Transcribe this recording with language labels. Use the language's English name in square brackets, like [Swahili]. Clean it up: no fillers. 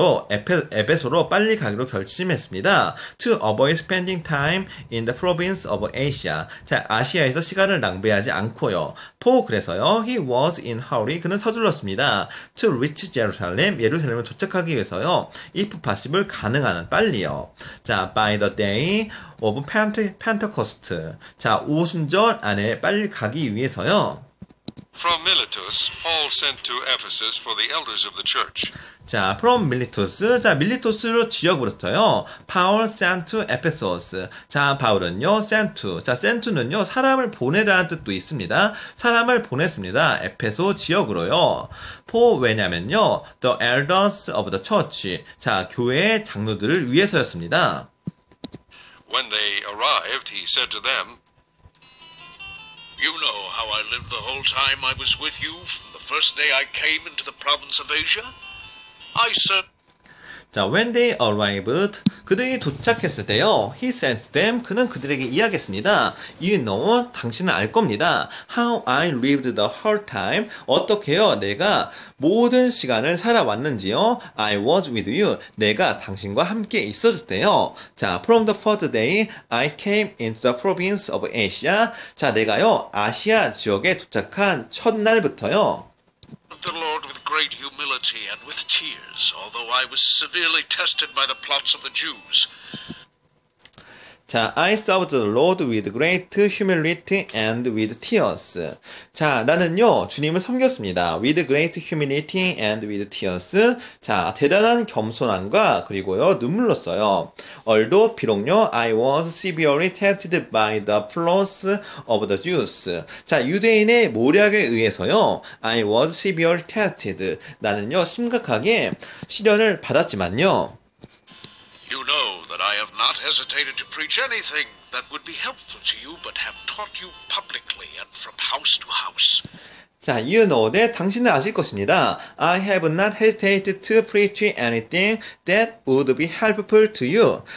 [Korean] 에베소로 빨리 가기로 결심했습니다. [English] To avoid spending time in the province of Asia. [Korean] 자, 아시아에서 시간을 낭비하지 않고요. [English] 포, [Korean] 그래서요, [English] he was in hurry. [Korean] 그는 서둘렀습니다. [English] To reach Jerusalem. [Korean] 예루살렘에 도착하기 위해서요. [English] If possible, [Korean] 가능한 빨리요. [English] 자, by the day. of Pentecost. [Korean] 자, 오순절 안에 빨리 가기 위해서요. [English] From Miletus, Paul sent to Ephesus for the elders of the church. 자, from Miletus. [Korean] 자, 밀리토스로 지역부터요. [English] Paul sent to Ephesus. 자, [Korean] 바울은요. [English] sent to. 자, sent to는요. [Korean] 사람을 보내라는 뜻도 있습니다. 사람을 보냈습니다. 에페소 지역으로요. [English] For [Korean] 왜냐면요. [English] The elders of the church. [Korean] 자, 교회의 장로들을 위해서였습니다. [English] When they arrived, he said to them, You know how I lived the whole time I was with you from the first day I came into the province of Asia? I said... 자, when they arrived, [Korean] 그들이 도착했을 때요, [English] he sent them, [Korean] 그는 그들에게 이야기했습니다. [English] You know, [Korean] 당신은 알 겁니다. [English] How I lived the whole time, [Korean] 어떻게요, 내가 모든 시간을 살아왔는지요, [English] I was with you, [Korean] 내가 당신과 함께 있었대요. [English] 자, from the first day, I came into the province of Asia. [Korean] 자, 내가요, 아시아 지역에 도착한 첫날부터요, [English] The Lord with great humility and with tears, although I was severely tested by the plots of the Jews. 자, I served the Lord with great humility and with tears. [Korean] 자, 나는요, 주님을 섬겼습니다. [English] With great humility and with tears. [Korean] 자, 대단한 겸손함과 그리고요, 눈물로써요. [English] Although, [Korean] 비록요, [English] I was severely tested by the plots of the Jews. 자, [Korean] 유대인의 모략에 의해서요, [English] I was severely tested. [Korean] 나는요, 심각하게 시련을 받았지만요, [English] You know that I have not hesitated to preach anything that would be helpful to you, but have taught you publicly and from house to house. 자, you know that [Korean] 당신은 아실 것입니다. [English] I have not hesitated to preach anything that would be helpful to you.